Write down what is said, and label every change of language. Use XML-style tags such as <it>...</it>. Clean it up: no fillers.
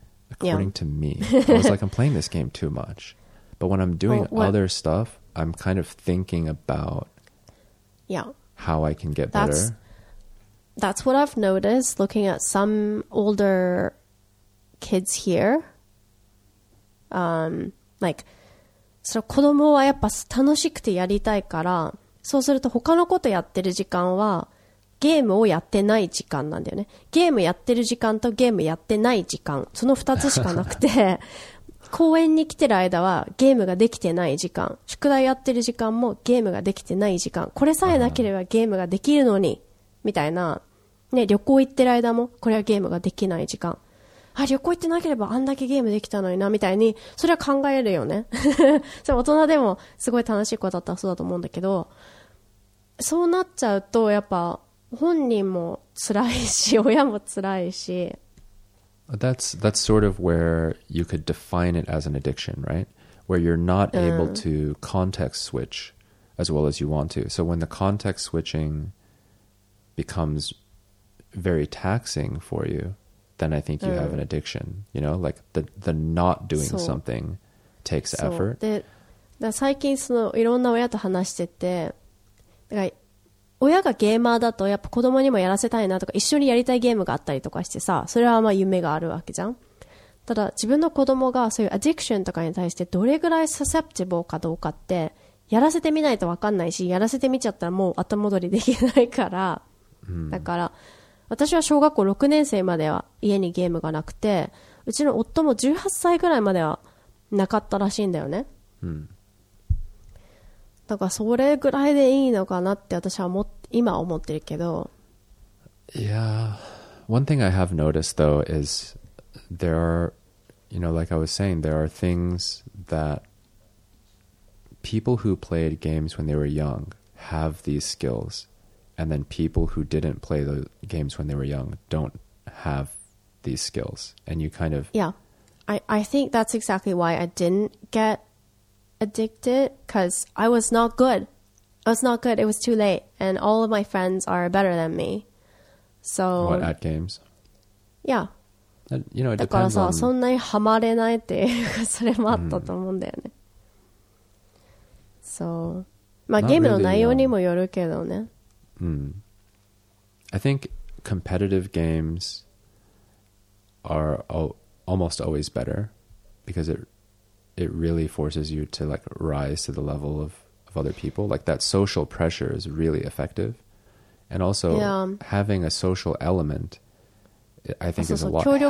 <en>According to me, I was like, I'm playing this game too much. But when I'm doing other stuff, I'm kind of thinking about how I can get better. That's what I've noticed looking at some older kids here.</en> <ja>Like, その子供はやっぱ楽しくてやりたいから、そうすると他のことやってる時間はゲームをやってない時間なんだよね。ゲームやってる時間とゲームやってない時間、その二つしかなくて、公園に来てる間はゲームができてない時間、宿題やってる時間もゲームができてない時間、これさえなければゲームができるのに、みたいな、ね、旅行行ってる間もこれはゲームができない時間、あ、旅行行ってなければあんだけゲームできたのにな、みたいにそれは考えるよねそれ大人でもすごい楽しい子だったらそうだと思うんだけど、そうなっちゃうとやっぱ本人も辛いし親も辛いし、</ja> <en>that's sort of where you could define it as an addiction, right? Where you're not able to context switch as well as you want to. So when the context switchingbecomes very taxing for you, then I think you、うん、have an addiction. You know, like the not doing something takes effort.</en> <ja>で、最近そのいろんな親と話してて、だから親がゲーマーだとやっぱ子供にもやらせたいなとか一緒にやりたいゲームがあったりとかしてさ、それはまあ夢があるわけじゃん。ただ自分の子供がそういうアディクションとかに対してどれぐらいササプチブルかどうかってやらせてみないと分かんないし、やらせてみちゃったらもう後戻りできないから、うん、だから私は小学校6年生までは家にゲームがなくて、うちの夫も18歳ぐらいまではなかったらしいんだよね、うん、だからそれぐらいでいいのかなって私は今思ってるけど。</ja> <en>Yeah, one thing I have noticed though is there are, you know, like I was saying, there are things thatPeople who played games when they were young have these skills, and then people who didn't play the games when they were young don't have these skills. And you kind of... Yeah, I think that's exactly why I didn't get addicted, because I was not good. I was not good. It was too late. And all of my friends are better than me. So... What, at games? Yeah. And, you know, it depends on...</en> <ja>そんなにハマれないっていうそれもあったと思うんだよね。 So, まあ、ゲームの内容にもよるけどね。</ja> <en>I think competitive games are almost always better because it really forces you to like rise to the level of other people. Like that social pressure is really effective. And also having a social element, I think is a lot healthier.</en>